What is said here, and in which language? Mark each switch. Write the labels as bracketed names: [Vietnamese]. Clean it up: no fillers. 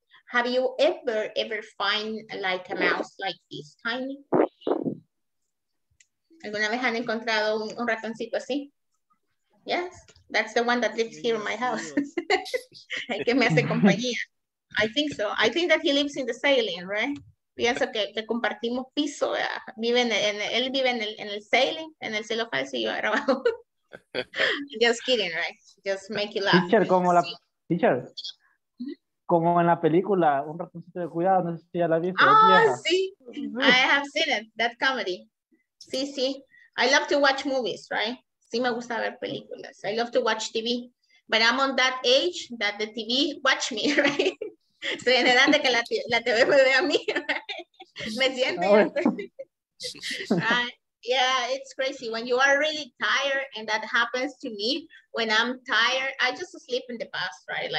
[English] Have you ever find like a mouse like this tiny? [Spanish] ¿Alguna vez han encontrado un ratoncito así? [English] Yes, that's the one that lives here in my house. [Spanish] El que me hace compañía. [English] I think so. I think that he lives in the ceiling, right? [Spanish] Pienso que compartimos piso. Él vive en el ceiling, en el cielo falso y yo abajo. [English] Just kidding, right? Just make you laugh. [Spanish] Teacher, como en la película, un ratoncito de cuidado, no sé si ya la viste. [English] Sí. I have seen it, that comedy. [Spanish] Sí, sí. [English] I love to watch movies, right? [Spanish] Sí, me gusta ver películas. [English] I love to watch TV. But I'm on that age that the TV watch me, right? [Spanish] Estoy en edad de que la TV me ve a mí, right? Me siento. [English] Yeah, it's crazy. When you are really tired, and that happens to me, when I'm tired, I just sleep in the bus, right?